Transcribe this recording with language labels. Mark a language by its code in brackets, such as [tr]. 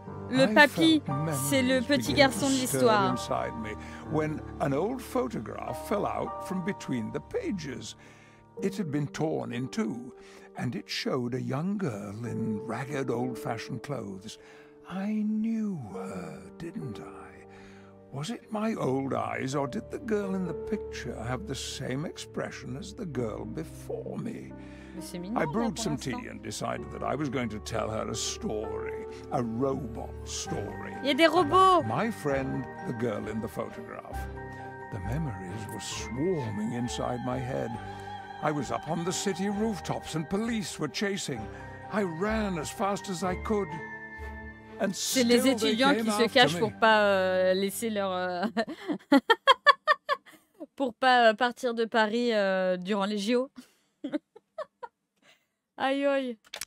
[fr] Le papy, c'est le petit garçon de l'histoire. [en] When an old photograph fell out from between the pages, it had been torn in two, and it showed a young girl in ragged old-fashioned clothes. I knew her, didn't I? Was it my old eyes, or did the girl in the picture have the same expression as the girl before me? Mignon, I brewed some tea and decided that I was going to tell her a story, a robot story. [fr] Il y a des robots. [en] My friend, the girl in the photograph. The memories were swarming inside my head. I was up on the city rooftops and police were chasing. I ran as fast as I could. And still they came after me. [fr] C'est les étudiants qui se cachent pour pas laisser leur pour pas partir de Paris durant les JO. Aïe aïe!